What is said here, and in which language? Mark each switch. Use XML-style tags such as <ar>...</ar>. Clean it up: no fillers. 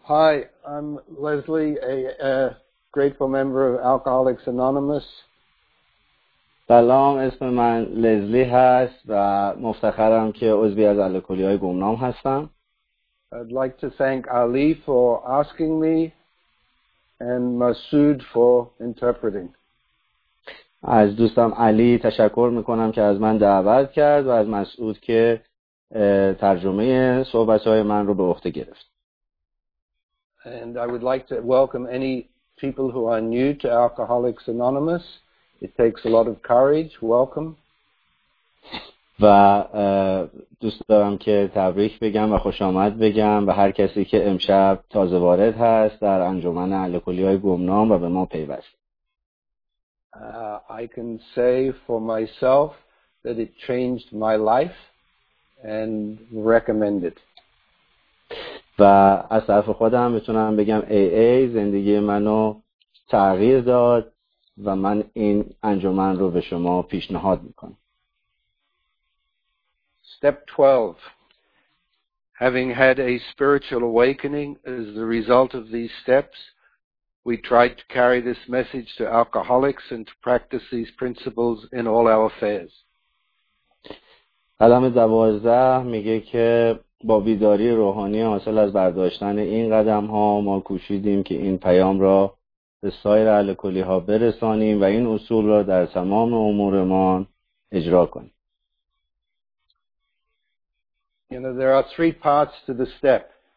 <en>Hi, I'm Leslie, a grateful member of Alcoholics Anonymous.</en> <fa>سلام، اسم من لزلی هست و مفتخرم که عضوی از الکلی های گمنام هستم.</fa> <en>I'd like to thank Ali for asking me and Masood for interpreting.</en> <fa>از دوستم علی تشکر میکنم که از من دعوت کرد و از مسعود که ترجمه صحبت های من رو به عهده گرفت.</fa> <en>And I would like to welcome any people who are new to Alcoholics Anonymous. It takes a lot of courage. Welcome.</en> <fa>و دوست دارم که تبریک بگم و خوش آمد بگم به هر کسی که امشب تازه وارد هست در انجمن الکلی‌های گمنام و به ما پیوست.</fa> <en>I can say for myself that it changed my life and recommend it.</en> <fa>و از طرف خودم میتونم بگم AA زندگی منو تغییر داد و من این انجمن رو به شما پیشنهاد میکنم.</fa> <en>Step 12. Having had a spiritual awakening as the result of these steps, we tried to carry this message to alcoholics and to practice these principles in all our affairs.</en> <fa>قدم 12 میگه که با بیداری روحانی حاصل از برداشتن این قدم ها ما کوشیدیم که این پیام را به سایر الکلی ها برسانیم و این اصول را در تمام امورمان اجرا کنیم.</fa> <en>You know, there are three parts to the step.</en>